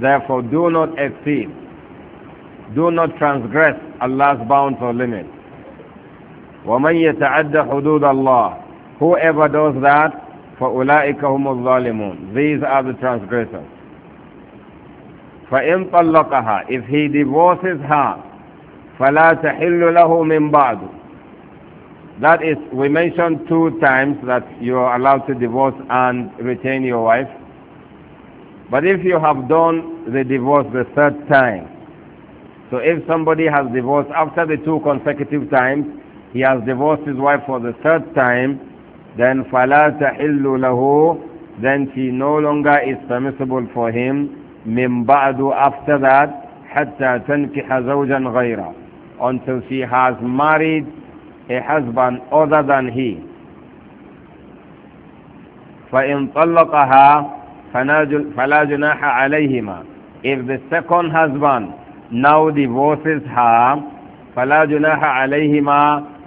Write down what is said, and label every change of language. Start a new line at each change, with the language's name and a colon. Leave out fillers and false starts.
English: Therefore, do not exceed. Do not transgress Allah's bounds or limits.
Arabic: وَمَنْ يَتَعَدَّ حُدُودَ اللَّهِ.
English: Whoever does that,
Arabic: فَأُولَٰئِكَ هُمُ الظَّالِمُونَ.
English: These are the transgressors.
Arabic: فَإِنْ طَلَّقَهَا.
English: If he divorces her,
Arabic: فَلَا تَحِلُّ لَهُ مِنْ بَعْدُ.
English: That is, we mentioned two times that you are allowed to divorce and retain your wife. But if you have done the divorce the third time, so if somebody has divorced after the two consecutive times, he has divorced his wife for the third time, then
Arabic: فَلَا تَحِلُّ لَهُ.
English: Then she no longer is permissible for him
Arabic: مِنْ بَعْدُ.
English: After that,
Arabic: حَتَّى تَنْكِحَ زَوْجًا غَيْرًا.
English: Until she has married a husband other than he.
Arabic: فَإِنْ طَلَّقَهَا فَلَا جُنَاحَ عَلَيْهِمَا.
English: If the second husband now divorces her,
Arabic: فَلَا جُنَاحَ عَلَيْهِمَا.